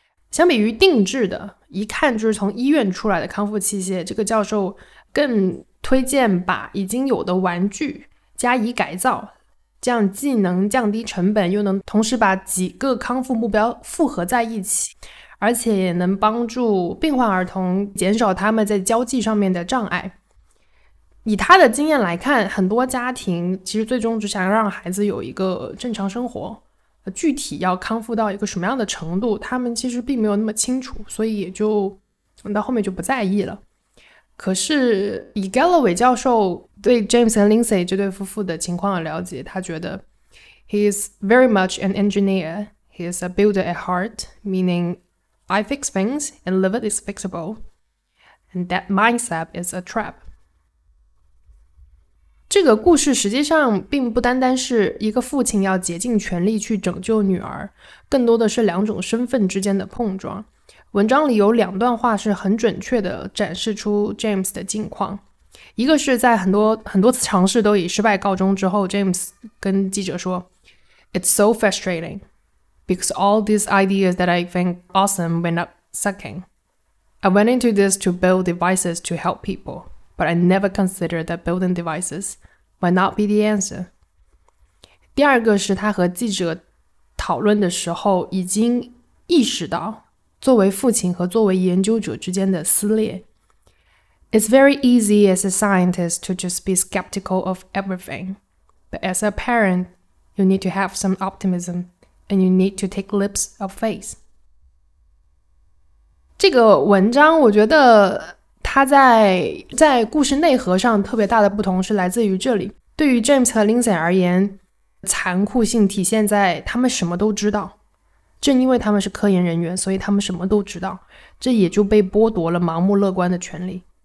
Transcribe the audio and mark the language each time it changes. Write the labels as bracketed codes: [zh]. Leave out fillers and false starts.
[zh] 相比于定制的一看就是从医院出来的康复器械，这个教授更推荐把已经有的玩具加以改造，这样既能降低成本，又能同时把几个康复目标复合在一起，而且也能帮助病患儿童减少他们在交际上面的障碍。以他的经验来看，很多家庭其实最终只想让孩子有一个正常生活，具体要康复到一个什么样的程度，他们其实并没有那么清楚，所以也就到后面就不在意了。可是以 Galloway 教授对 James and Lindsay 这对夫妇的情况的了解，他觉得 [en] He is very much an engineer. He is a builder at heart, meaning I fix things and live it is fixable. And that mindset is a trap. [zh] 这个故事实际上并不单单是一个父亲要竭尽全力去拯救女儿，更多的是两种身份之间的碰撞。文章里有两段话是很准确的展示出 James 的境况，一个是在很多次尝试都以失败告终之后， James 跟记者说 [en] It's so frustrating because all these ideas that I think awesome went up sucking. I went into this to build devices to help peopleBut I never considered that building devices might not be the answer. [zh] 第二个是他和记者讨论的时候已经意识到作为父亲和作为研究者之间的撕裂。 [en] It's very easy as a scientist to just be skeptical of everything. But as a parent, you need to have some optimism and you need to take leaps of faith. [zh] 这个文章我觉得他在故事内核上特别大的不同是来自于这里。对于 James 和 Lindsay 而言，残酷性体现在他们什么都知道。正因为他们是科研人员，所以他们什么都知道，这也就被剥夺了盲目乐观的权利。